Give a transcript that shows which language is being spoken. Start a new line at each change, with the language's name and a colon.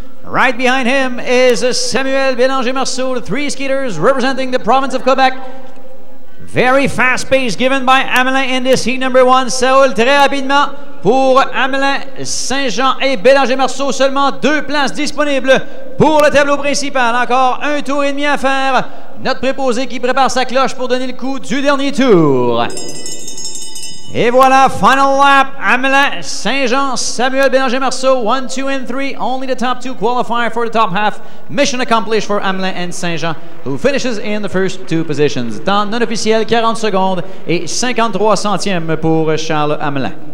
English: Right behind him is Samuel Bélanger-Marceau, the three skaters representing the province of Quebec. Very fast pace given by Hamelin in this heat number one.
French: Ça roule très rapidement pour Hamelin, Saint-Jean et Bélanger-Marceau. Seulement deux places disponibles pour le tableau principal. Encore un tour et demi à faire. Notre préposé qui prépare sa cloche pour donner le coup du dernier tour. Et voilà,
English: final lap. Hamelin, Saint-Jean, Samuel Bélanger-Marceau. 1, 2 and 3. Only the top 2 qualify for the top half. Mission accomplished for Hamelin and Saint-Jean, who finishes in the first two positions.
French: Temps non officiel, 40 secondes et 53 centièmes pour Charles Hamelin.